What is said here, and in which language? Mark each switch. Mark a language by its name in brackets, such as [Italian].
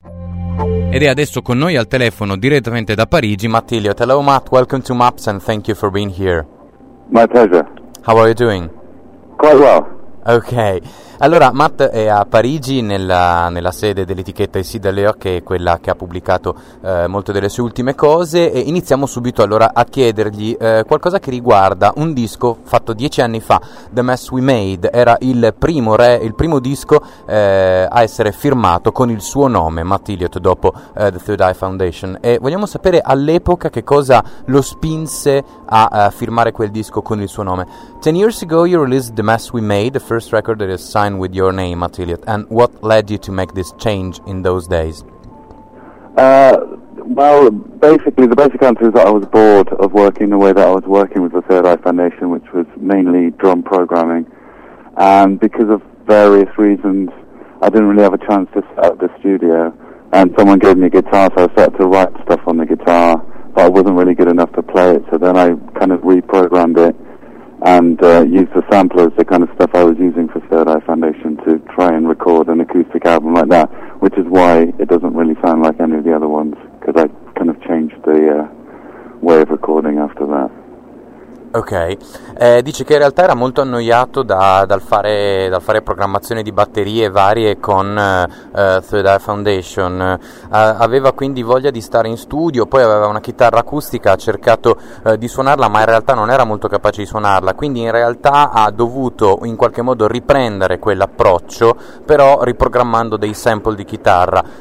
[Italian] Ed è adesso con noi al telefono direttamente da Parigi, Matilio. [English] Hello, Matt. Welcome to Maps and thank you for being here. My pleasure. How are you doing? Quite well. Ok. [Italian] Allora, Matt è a Parigi nella sede dell'etichetta Ici de Léo, che è quella che ha pubblicato molte delle sue ultime cose, e iniziamo subito allora a chiedergli qualcosa che riguarda un disco fatto 10 anni fa, The Mess We Made. Era il primo disco a essere firmato con il suo nome, Matt Elliott, dopo The Third Eye Foundation, e vogliamo sapere all'epoca che cosa lo spinse a firmare quel disco con il suo nome. [English] 10 years ago you released The Mess We Made, the first record that is signed with your name, Matt Elliott, and what led you to make this change in those days? Well, basically, the basic answer is that I was bored of working the way that I was working with the Third Eye Foundation, which was mainly drum programming, and because of various reasons, I didn't really have a chance to set up the studio, and someone gave me a guitar, so I started to write stuff on the guitar, but I wasn't really good enough to play it, so then I kind of reprogrammed it and use the samplers, the kind of stuff I was using for Third Eye Foundation, to try and record an acoustic album like that, which is why it doesn't really sound like any of the other ones, because I kind of changed the way of recording after that. [Italian] Ok, dice che in realtà era molto annoiato dal fare programmazione di batterie varie con Third Eye Foundation, aveva quindi voglia di stare in studio, poi aveva una chitarra acustica, ha cercato di suonarla, ma in realtà non era molto capace di suonarla, quindi in realtà ha dovuto in qualche modo riprendere quell'approccio, però riprogrammando dei sample di chitarra.